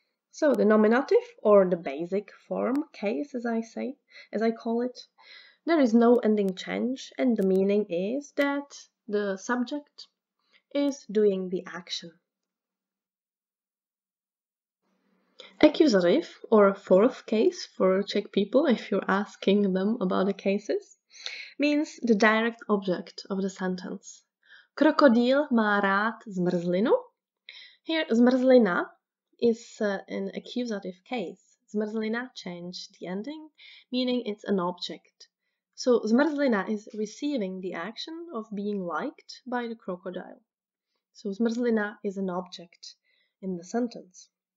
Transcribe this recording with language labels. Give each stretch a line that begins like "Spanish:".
English: So the nominative, or the basic form case, as I call it, there is no ending change, and the meaning is that the subject is doing the action. Accusative, or fourth case for Czech people, if you're asking them about the cases, means the direct object of the sentence.
Czech: Krokodýl má rád zmrzlinu.
English: Here, zmrzlina is an accusative case. Zmrzlina changed the ending, meaning it's an object. So zmrzlina is receiving the action of being liked by the crocodile. So zmrzlina is an object in the sentence.